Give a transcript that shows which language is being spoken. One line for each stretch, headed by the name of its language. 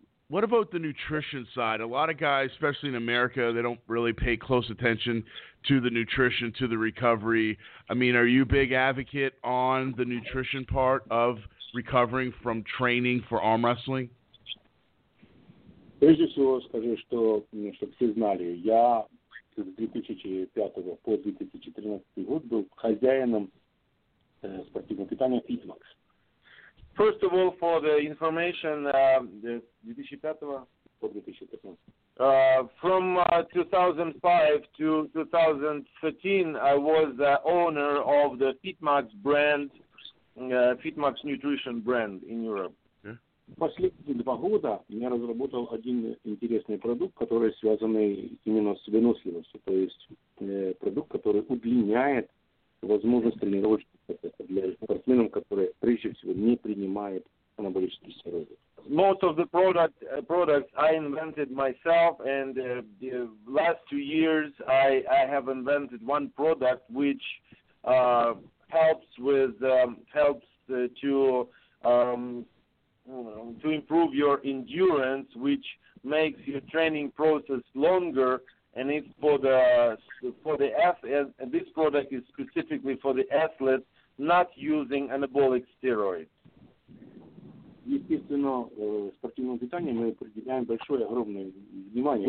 English: What about the nutrition side? A lot of guys, especially in America, they don't really pay close attention to the nutrition, to the recovery. I mean, are you a big advocate on the nutrition part of recovering from training for arm wrestling?
Russian: Прежде всего, скажу, что, чтобы все знали, я с 2005 по 2013 год был хозяином спортивного питания Fitmax.
English: First of all, for the information, the 2005 from 2005 to 2013, I was the owner of the Fitmax brand, Fitmax nutrition brand in Europe.
Russian: Последние два года я разработал один интересный продукт, который связан именно с выносливостью, то есть продукт, который удлиняет возможность тренировочных процессов для спортсменов, которые прежде всего не принимают анаболические стероиды.
English: Most of the products I invented myself, and the last 2 years I have invented one product which helps to improve your endurance, which makes your training process longer, and it's for the athlete. This product is specifically for the athlete, not using anabolic steroids.
Russian: Естественно, спортивному питанию мы уделяем большое, огромное внимание.